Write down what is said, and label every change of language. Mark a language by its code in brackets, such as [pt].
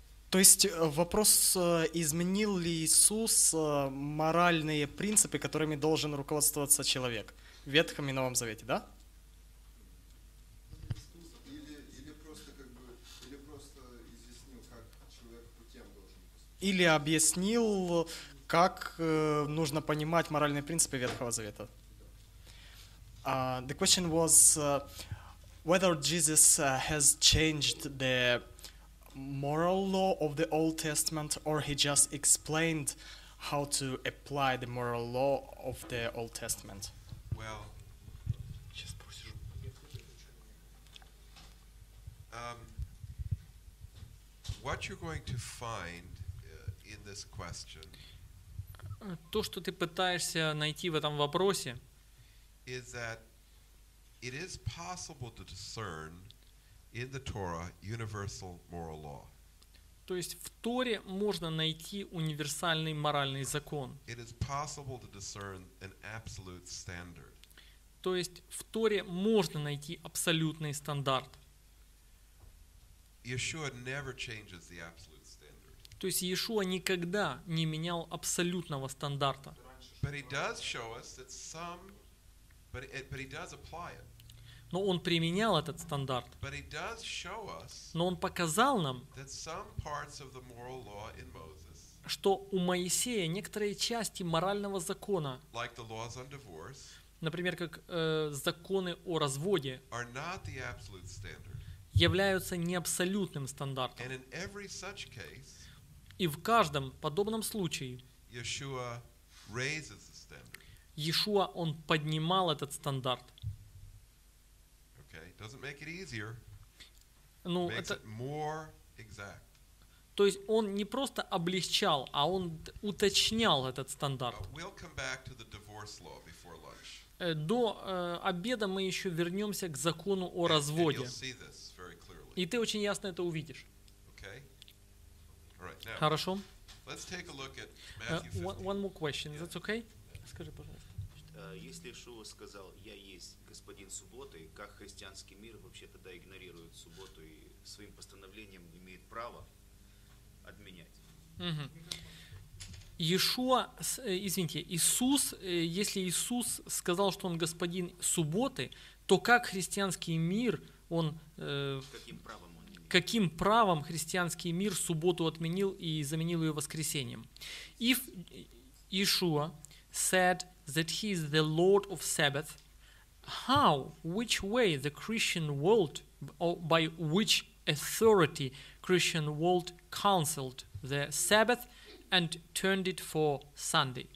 [ru] То есть вопрос, изменил ли Иисус моральные принципы, которыми должен руководствоваться человек в Ветхом и Новом Завете, да? Или просто как бы, или просто изъяснил, как человек по тем должен поступить? Или объяснил, как нужно понимать моральные принципы Ветхого Завета? [en] The question was whether Jesus has changed the moral law of the Old Testament, or he just explained how to apply the moral law of the Old Testament. Well, what you're going to find in this question. [ru] То, что ты пытаешься найти в этом вопросе. [en] Is that it is possible to discern in the Torah universal moral law? [ru] То есть в Торе можно найти универсальный моральный закон. [en] It is possible to discern an absolute standard. [ru] То есть в Торе можно найти абсолютный стандарт. [en] Yeshua never changes the absolute standard. [ru] То есть Иешуа никогда не менял абсолютного стандарта. [en] But he does show us that some. But he does apply it. [ru] Но он применял этот стандарт. [en] But he does show us, [ru] но он показал нам, [en] that some parts of the moral law in Moses, [ru] что у Моисея некоторые части морального закона, [en] like the laws on divorce, [ru] например, как законы о разводе, [en] are not the absolute standard. [ru] Являются не абсолютным стандартом. [en] And in every such case, [ru] и в каждом подобном случае [en] Yeshua raises the standard. [ru] Иешуа, он поднимал этот стандарт. [en] Okay. Doesn't make it easier. [ru] Ну, [en] makes [ru] это... [en] it more exact. [ru] То есть он не просто облегчал, а он уточнял этот стандарт. [en] We'll come back to the divorce law before lunch. [ru] До обеда мы еще вернемся к закону о разводе. [en] And you'll see this very clearly. [ru] И ты очень ясно это увидишь. [en] Okay. All right, now, [ru] хорошо. [en] Let's take a look at Matthew 15. One more question. Yeah. That's okay? [ru] Скажи, пожалуйста. Если Иешуа сказал, я есть господин субботы, как христианский мир вообще тогда игнорирует субботу и своим постановлением имеет право отменять? Иешуа, извините, Иисус, если Иисус сказал, что он господин субботы, то как христианский мир, он... Каким правом? Каким правом христианский мир субботу отменил и заменил ее воскресеньем? [en] If Иешуа said that he is the Lord of Sabbath, how, which way the Christian world, or by which authority Christian world canceled the Sabbath and turned it for Sunday?